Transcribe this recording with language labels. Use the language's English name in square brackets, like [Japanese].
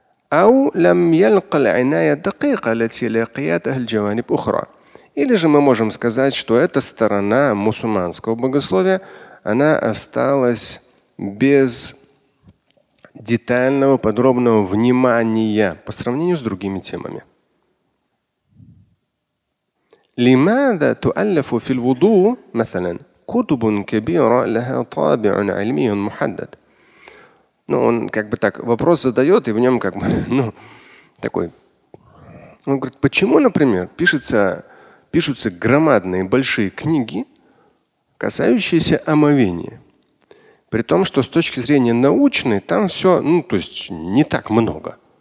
[Arabic] Ау лям ялькал айная дакика лати лякият ахль джаванип ухра. [Russian] Или же мы можем сказать, что эта сторона мусульманского богословия, она осталась без детального, подробного внимания по сравнению с другими темами. [Arabic] لماذا تؤلف في الوضوء مثلا كتب كبيرة لها طابع علمي محدد. [Russian] Ну, он как бы так вопрос задает, и в нем как бы такой. Он говорит, почему, например, пишутся громадные большие книги, касающиеся омовения, при том, что с точки зрения научной там все, то есть не так много.